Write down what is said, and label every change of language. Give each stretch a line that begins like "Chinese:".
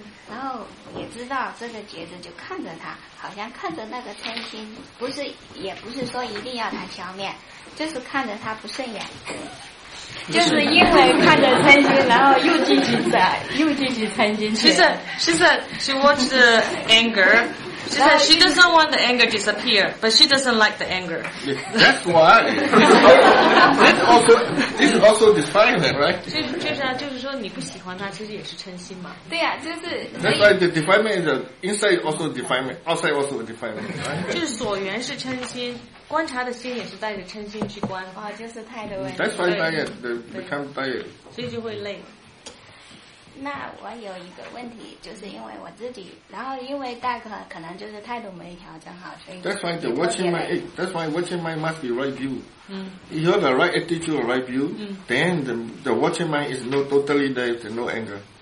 Chinese: 然后也知道这个觉知，就看着他，好像看着那个嗔心，不是，也不是说一定要他消灭，就是看着他不顺眼。就是因为看着贪心，然后又继续贪心。
English: She said she wants the anger. She said she doesn't want the anger disappear, but she doesn't like the anger. Yes, that's why. This is also defilement, right?
Chinese: 就是说你不喜欢他，其实也是嗔心嘛。对呀，就是。
English: That's why the defilement is inside also defilement, outside also defilement.
Chinese: 就是所缘是嗔心。观察的心也是带着嗔心去观啊，就是态度问题。
English: That's why diet, they become diet.
Chinese: 所以就会累。那我有一个问题，就是因为我自己，然后因为大哥可能就是态度没调整好，所以。
English: That's why the watching mind. That's why watching mind must be right view. You have the right attitude, right view. Then the watching mind is no totally there, no anger.